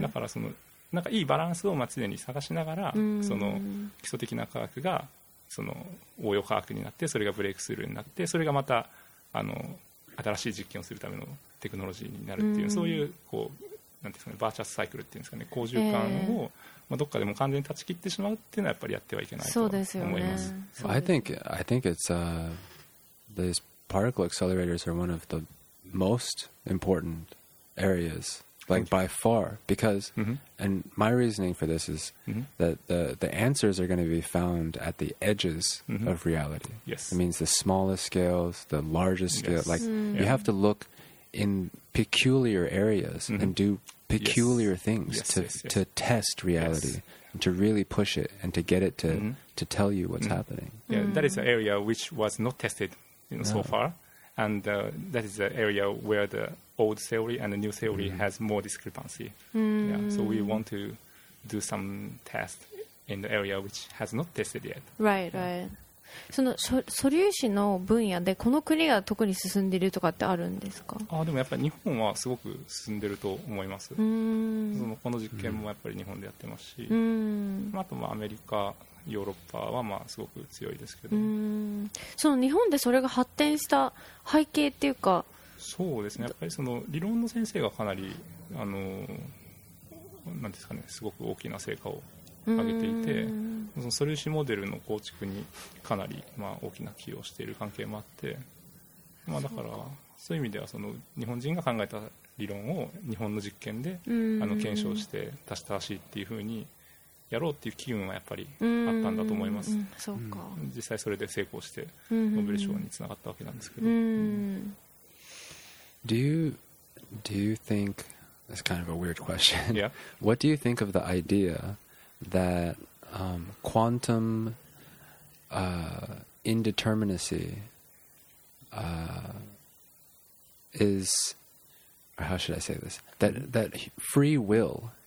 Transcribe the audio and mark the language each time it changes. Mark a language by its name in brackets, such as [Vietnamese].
[Japanese] だからそのなんかいいバランスをまあ常に探しながらその基礎的な科学がその応用科学になってそれがブレイクスルーになってそれがまたあの新しい実験をするためのテクノロジーになるっていう、そういうこうなんていうかね、バーチャスサイクルっていうんですかね、好循環を、まあ、どっかでも完全に断ち切ってしまうっていうのはやっぱりやってはいけないと思います。そうですよね。 [English] I think it's these particle accelerators are one of the most important areas, like by far, because and my reasoning for this is that the answers are going to be found at the edges of reality. Yes, it means the smallest scales, the largest scale. Like you have to look in peculiar areas and do peculiar things to test reality and to really push it and to get it to to tell you what's happening. Yeah, that is an area which was not tested, you know, so far, and that is an area where the old theory and the new theory has more discrepancy. Yeah, so we want to do some test in the area which has not tested yet. Right, right. [Japanese] その素粒子の分野でこの国が特に進んでいるとかってあるんですか？あ、でもやっぱり日本はすごく進んでると思います。そのこの実験もやっぱり日本でやってますし、あとまあアメリカ、ヨーロッパはまあすごく強いですけど、その日本でそれが発展した背景っていうか、そうですね、やっぱりその理論の先生がかなりなんですかね、すごく大きな成果を上げていて、その素粒子モデルの構築にかなりまあ大きな寄与をしている関係もあって、まあ、だからそういう意味ではその日本人が考えた理論を日本の実験で検証して出したらしいっていうふうにやろうっていう機運はやっぱりあったんだと思います。そうか。実際それで成功してノーベル賞につながったわけなんですけど。 [English] Do you think, that's kind of a weird question. Yeah. What do you think of the idea that quantum indeterminacy is, or how should I say this, that free will